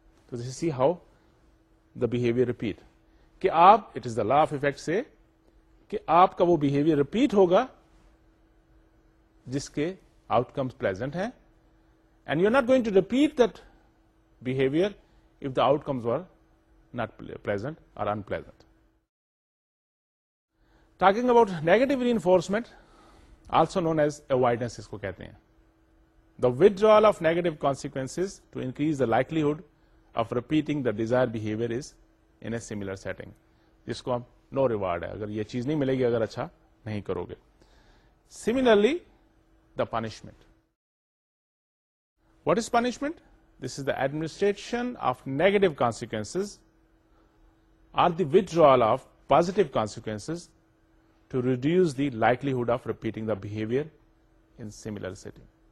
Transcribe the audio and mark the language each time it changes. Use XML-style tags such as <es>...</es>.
<en>تو this see how the behaviour repeat,</en> <ur>کہ آپ, it is the law of effect سے, کہ آپ کا وہ بہیویئر ریپیٹ ہوگا جس کے آؤٹ کمز پلیزنٹ ہیں,</ur> <en>And you are not going to repeat that behaviour if the outcomes were not pleasant اور unpleasant. Talking about negative reinforcement, also known as avoidance</en> <ur>اس کو کہتے ہیں.</ur> <en>The withdrawal of negative consequences to increase the likelihood of repeating the desired behavior is in a similar setting.</en> <ur>جس کو آپ نو reward ہے, اگر یہ چیز نہیں ملے گی اگر اچھا نہیں کرو گے.</ur> <en>Similarly the punishment. What is punishment? This is the administration of negative consequences are the withdrawal of positive consequences to reduce the likelihood of repeating the behavior in similar setting.</en>